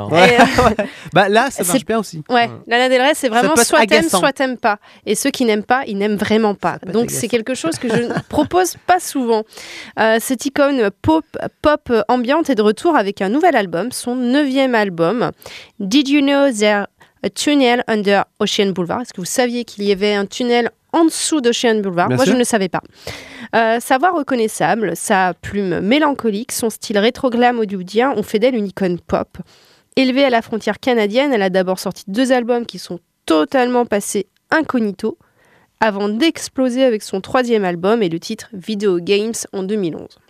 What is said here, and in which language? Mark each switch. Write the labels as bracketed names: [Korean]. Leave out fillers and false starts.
[French] Hein. Bah, là, ça marche bien aussi. Ouais. Lana Del Rey, c'est vraiment soit t'aimes, soit t'aimes pas. Et ceux qui n'aiment pas, ils n'aiment vraiment pas. Donc, c'est quelque chose que je ne propose pas souvent. Cette icône pop ambiante est de retour avec un nouvel album, son 9e album. [English] Did you know there a tunnel under Ocean Boulevard? [French] Est-ce que vous saviez qu'il y avait un tunnel en dessous d'Ocean Boulevard? Bien sûr. Je ne le savais pas. Sa voix reconnaissable, sa plume mélancolique, son style rétro-glam hollywoodien ont fait d'elle une icône pop. Élevée à la frontière canadienne, elle a d'abord sorti deux albums qui sont totalement passés incognito, avant d'exploser avec son 3e album et le titre Video Games en 2011.